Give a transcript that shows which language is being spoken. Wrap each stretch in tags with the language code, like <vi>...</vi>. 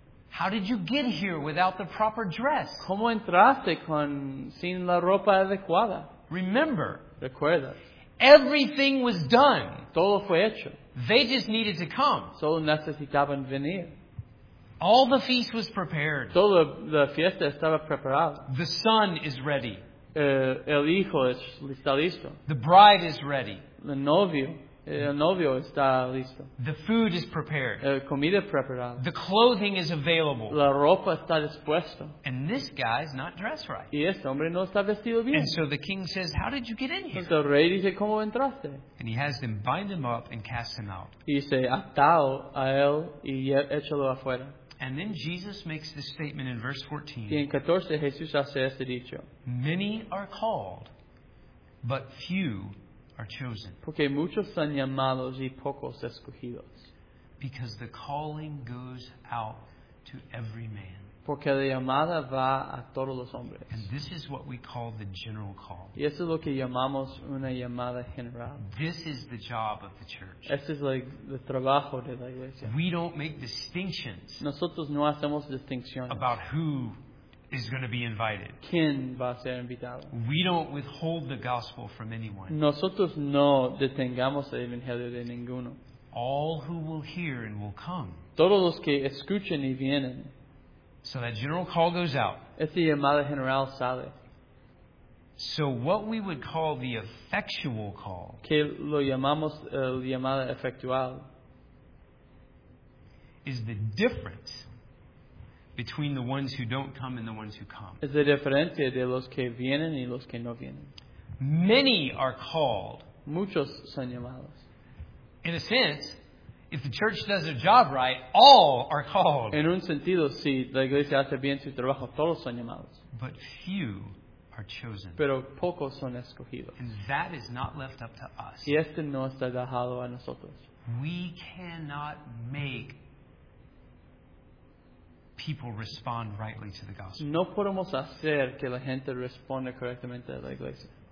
<en>How did you get here without the proper dress?</en> <es>¿Cómo entraste sin la ropa adecuada?</es> <en>Remember.</en> <es>Recuerda.</es> <en>Everything was done.</en> <es>Todo fue hecho.</es> <en>They just needed to come.</en> <es>Solo necesitaban venir.</es> <en>All the feast was prepared.</en> <es>Toda la fiesta estaba preparada.</es> <en>The son is ready.</en> <es>El hijo está listo.</es> <en>The bride is ready.</en> <es>El novio está listo.</es> <en>The food is prepared.</en> <es>La comida preparada.</es> <en>The clothing is available.</en> <es>La ropa está dispuesta.</es> <en>And this guy is not dressed right.</en> <es>Y este hombre no está vestido bien.</es> <en>And so the king says, "How did you get in here?"</en> <es>El rey dice, "¿Cómo entraste?"</es> <en>And he has them bind him up and cast him out.</en> <es>Y dice, "Atao a él y échalo afuera."</es> <en>And then Jesus makes this statement in verse 14.</en> <es>Y en 14 Jesús hace este dicho.</es> <en>Many are called, but few are chosen.</en> <es>Porque muchos son llamados y pocos escogidos.</es> <en>Because the calling goes out to every man.</en> <es>Porque la llamada va a todos los hombres.</es> <en>And this is what we call the general call.</en> <es>Y eso es lo que llamamos una llamada general.</es> <en>This is the job of the church.</en> <es>Este es like el trabajo de la iglesia.</es> <en>We don't make distinctions.</en> <es>Nosotros no hacemos distinciones.</es> <en>About who is going to be invited.</en> <es>¿Quién va a ser invitado?</es> <en>We don't withhold the gospel from anyone.</en> <es>Nosotros no detengamos el evangelio de ninguno.</es> <en>All who will hear and will come.</en> <es>Todos los que escuchen y vienen.</es> <en>So that general call goes out.</en> <es>Este llamado general sale.</es> <en>So what we would call the effectual call.</en> <es>Que lo llamamos el llamado efectual.</es> <en>Is the difference between the ones who don't come and the ones who come.</en> <es>Es la diferencia de los que vienen y los que no vienen.</es> <en>Many are called.</en> <es>Muchos son llamados.</es> <en>In a sense, if the church does their job right, all are called.</en> <es>En un sentido, si la iglesia hace bien su trabajo, todos son llamados.</es> <en>But few are chosen.</en> <es>Pero pocos son escogidos.</es> <en>And that is not left up to us.</en> <es>Y este no está dejado a nosotros.</es> <en>We cannot make people respond rightly to the gospel.</en> <es>No podemos hacer que la gente responda correctamente a la iglesia.</es>